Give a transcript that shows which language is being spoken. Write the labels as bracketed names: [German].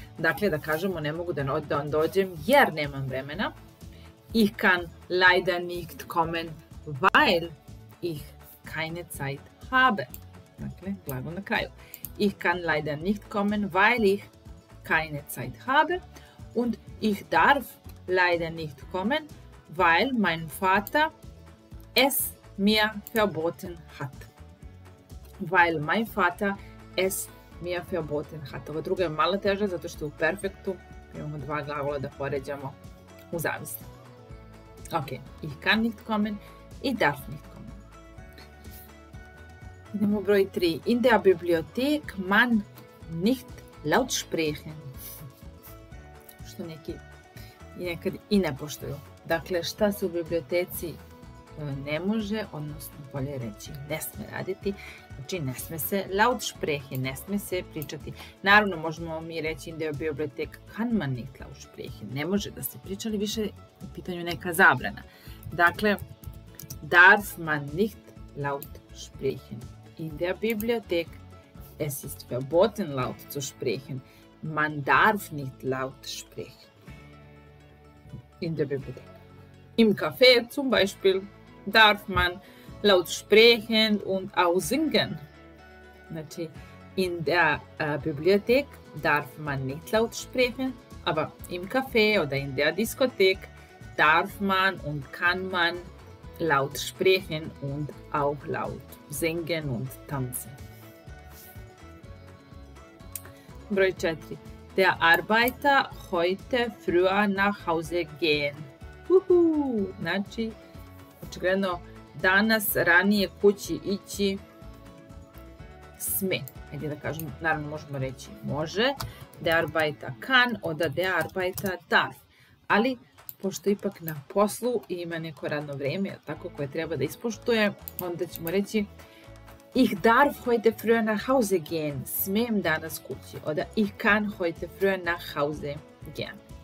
[Serbian] Dakle, da kažemo ne mogu da vam dođem jer nemam vremena. [German] Ich kann leider nicht kommen, weil ich keine Zeit habe. [Serbian] Dakle, glagol na kraju. [German] Ich kann leider nicht kommen, weil ich keine Zeit habe. Und ich darf leider nicht kommen, weil mein Vater es mir verboten hat. Weil mein Vater es mir verboten hat. [Serbian] Ova druga je malo teža, zato što je u perfektu. Imamo dva glagola da poređamo u zavisnom. [German] Ok, ich kann nicht kommen, ich darf nicht kommen. [Serbian] Idemo broj 3. [German] In der Bibliothek man nicht laut sprechen. [Serbian] Što neki nekad i ne poštuju. Dakle, šta se u biblioteci ne može, odnosno bolje reći, ne sme raditi. Znači, ne sme se [German] laut sprehe, [Serbian] ne sme se pričati. Naravno, možemo mi reći da je biblioteka [German] kann man nicht laut sprehe. [Serbian] Ne može da se priča, ali više u pitanju neka zabrana. Dakle, [German] darf man nicht laut sprehen. In der Bibliothek, es ist verboten laut zu sprechen. Man darf nicht laut sprechen. In der Bibliothek. Im Café zum Beispiel darf man laut sprechen und auch singen. [Serbian] Znači, [German] in der Bibliothek darf man nicht laut sprechen, aber im Café oder in der Diskothek darf man und kann man laut sprechen und auch laut singen und tanzen. [Serbian] Broj 4. [German] Der Arbeiter heute früher nach Hause gehen. [Serbian] Znači, očigledno, danas ranije kući ići sme. Hajde da kažem, naravno možemo reći može. [German] Der Arbeiter kann oder der Arbeiter darf. [Serbian] Ali, pošto ipak na poslu ima neko radno vreme, tako koje treba da ispoštuje, onda ćemo reći [German] ich darf heute früher nach Hause gehen. [Serbian] Smem danas kući. [German] Oder ich kann heute früher nach Hause gehen.